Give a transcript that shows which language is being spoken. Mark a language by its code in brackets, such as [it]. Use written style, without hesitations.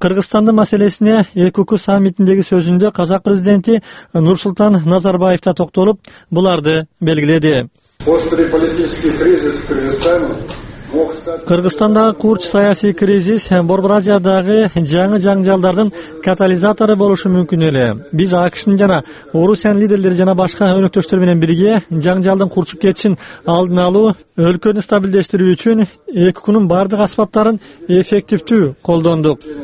[ky] Кыргызстандын маселесине ЭККУ саммитиндеги сөзүндө казак президенти Нурсултан Назарбаев да токтолуп, буларды белгиледи. [ru] Острый политический кризис в Кыргызстане. [ky] Кыргызстандагы курч саясий кризис Борбор Азиядагы жаңы жаңжалдардын катализатору болушу мүмкүн эле. Биз АКШнын жана Орусиянын лидерлери жана башка өнөктөштөр менен бирге жаңжалдын курчуп кетишин алдын алуу, өлкөнү стабилдештирүү үчүн эки күнүн бардык аспаптарын эффективдүү колдондук.